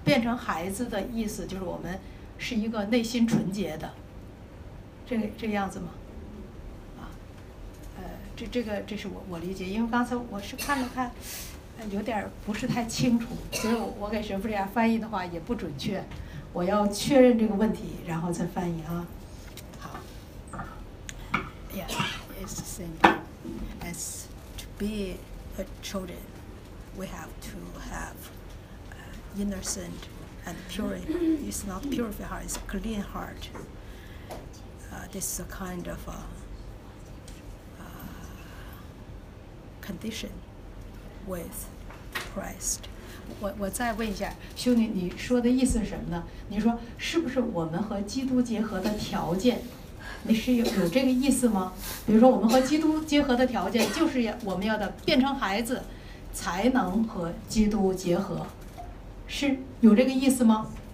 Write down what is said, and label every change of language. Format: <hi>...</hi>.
<zh>变成孩子的意思就是我们是一个内心纯洁的，这个样子吗？啊，这是我理解，因为刚才我是看了看，有点不是太清楚，所以我给神父这样翻译的话也不准确，我要确认这个问题，然后再翻译啊。</zh> <en>Yeah, it's the same as to be a children. We have to have innocent and pure. It's not purified heart, it's a clean heart. This is a kind of condition with Christ.</en> <zh>我再问一下，修女，你说的意思是什么呢？你说是不是我们和基督结合的条件？你是有这个意思吗？比如说我们和基督结合的条件就是我们要的变成孩子才能和基督结合，是有这个意思吗？</zh>